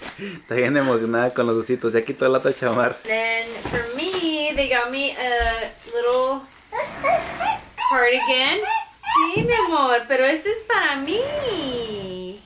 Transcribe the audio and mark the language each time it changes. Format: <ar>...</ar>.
<es>Está bien emocionada con los ositos. Ya quitó la otra chamar.</es> <en>Then, for me, they got me a little cardigan.</en> <es>Sí, mi amor, pero este es para mí.</es>